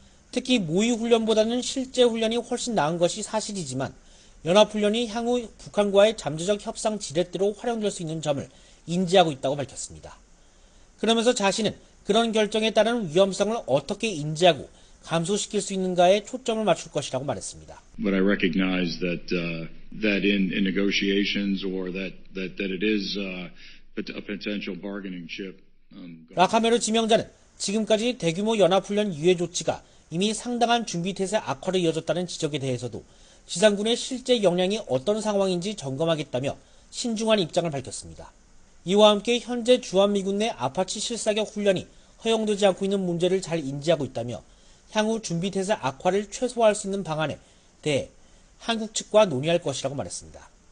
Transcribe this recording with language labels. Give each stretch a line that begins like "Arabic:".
Korean: 특히 모의훈련보다는 실제 훈련이 훨씬 나은 것이 사실이지만 연합훈련이 향후 북한과의 잠재적 협상 지렛대로 활용될 수 있는 점을 인지하고 있다고 밝혔습니다. 그러면서 자신은 그런 결정에 따른 위험성을 어떻게 인지하고 감소시킬 수 있는가에 초점을 맞출 것이라고 말했습니다.
English: But I recognize that in negotiations or that it is a potential bargaining chip.
Korean: 라카메르 지명자는 지금까지 대규모 연합훈련 유예 조치가 이미 상당한 준비태세 악화로 이어졌다는 지적에 대해서도 지상군의 실제 역량이 어떤 상황인지 점검하겠다며 신중한 입장을 밝혔습니다. 이와 함께 현재 주한미군 내 아파치 실사격 훈련이 허용되지 않고 있는 문제를 잘 인지하고 있다며 향후 준비태세 악화를 최소화할 수 있는 방안에 대해 한국 측과 논의할 것이라고 말했습니다.